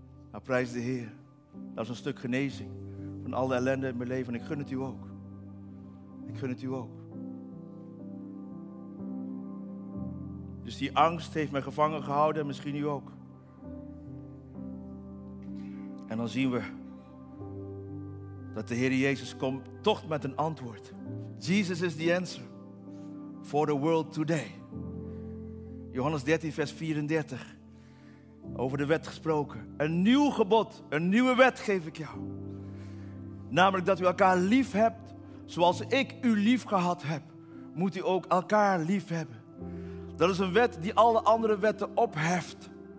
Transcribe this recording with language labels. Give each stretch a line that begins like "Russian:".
Dutch: Maar prijs de Heer, dat is een stuk genezing van al de ellende in mijn leven. En ik gun het u ook. Ik gun het u ook. Dus die angst heeft mij gevangen gehouden en misschien u ook. En dan zien we dat de Heer Jezus komt toch met een antwoord.
English: Jesus is the answer for the world today.
Dutch: Johannes 13, vers 34. Over de wet gesproken. Een nieuw gebod, een nieuwe wet geef ik jou. Namelijk dat u elkaar lief hebt zoals ik u lief gehad heb. Moet u ook elkaar lief hebben. Dat is een wet die alle andere wetten opheft.